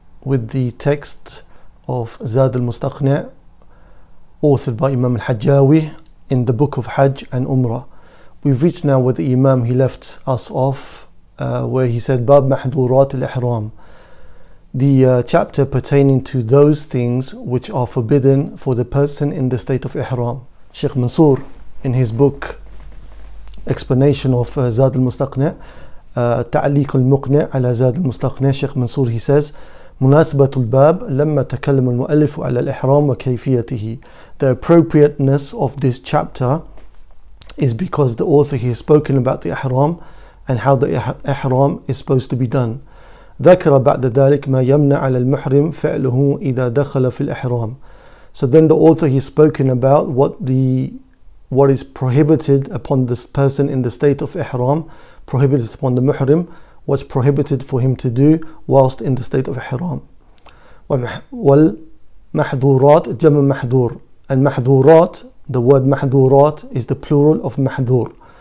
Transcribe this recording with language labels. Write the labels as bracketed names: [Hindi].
[English] With the text of Zad Al-Mastaqnia, authored by Imam Al-Hajjawi in the book of Hajj and Umrah. We've reached now where the Imam, he left us off, where he said, Bab Mahdurat Al-Ihram, the chapter pertaining to those things which are forbidden for the person in the state of Ihram. Sheikh Mansour, in his book, explanation of Zad Al-Mastaqnia, [Arabic] تعليق المقنع على زاد المستقنع شيخ منصور, [English] he says [Arabic] مناسبة الباب لما تكلم المؤلف على الإحرام وكيفيته. [English] The appropriateness of this chapter is because the author, he has spoken about the إحرام and how the إحرام is supposed to be done. [Arabic] ذكر بعد ذلك ما يمنع على المحرم فعله إذا دخل في الإحرام. [English] So then the author, he has spoken about what is prohibited upon this person in the state of Ihram, prohibited upon the Muhrim, what's prohibited for him to do whilst in the state of Ihram. [Arabic] وَالْمَحْذُورَاتِ جَمْ مَحْذُورِ المحذورات, [English] the word محذورات is the plural of محذور.